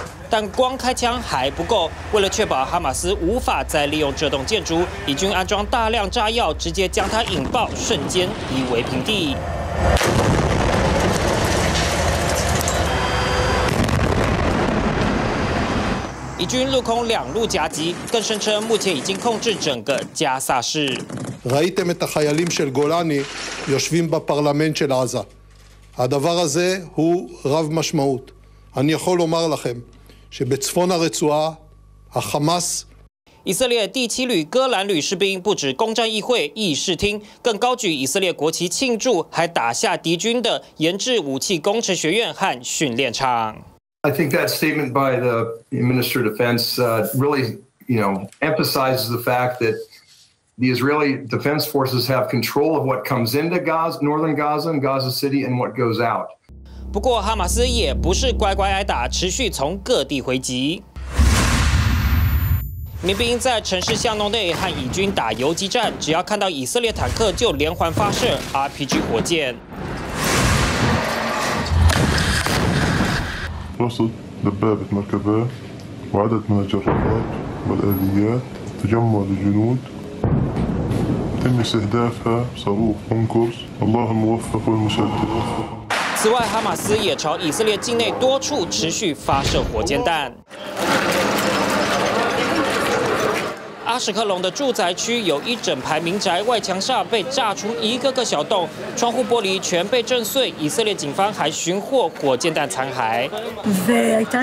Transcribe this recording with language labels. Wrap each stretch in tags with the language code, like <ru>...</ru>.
<zh>但光开枪还不够，为了确保哈马斯无法再利用这栋建筑，以军安装大量炸药，直接将它引爆，瞬间夷为平地。以军陆空两路夹击，更声称目前已经控制整个加萨市。</zh> <he>ראיתם את החיילים של גולני יושבים בפרלמנט של עזה. הדבר הזה הוא רב משמעות. אני יכול לומר לכם שבצפון הרצועה, החמאס.</he> <zh>以色列第七旅戈兰旅士兵不止攻占议会、议事厅，更高举以色列国旗庆祝，还打下敌军的研制武器工程学院和训练场。</zh> <en>I think that statement by the Minister of Defense really, you know, emphasizes the fact that the Israeli Defense Forces have control of what comes into Gaza, northern Gaza and Gaza City, and what goes out.</en> <zh>不过哈马斯也不是乖乖挨打，持续从各地回击。民兵在城市巷弄内和以军打游击战，只要看到以色列坦克就连环发射 RPG 火箭。</zh> <ar>وصل دبابة مركبات وعدد من الجرافات والآليات تجمع الجنود تم استهدافها صاروخ كونكورس الله الموفق والمسدد.</ar> <zh>此外，哈马斯也朝以色列境内多处持续发射火箭弹。阿什克隆的住宅区有一整排民宅，外墙上被炸出一个个小洞，窗户玻璃全被震碎。以色列警方还寻获火箭弹残骸。</zh>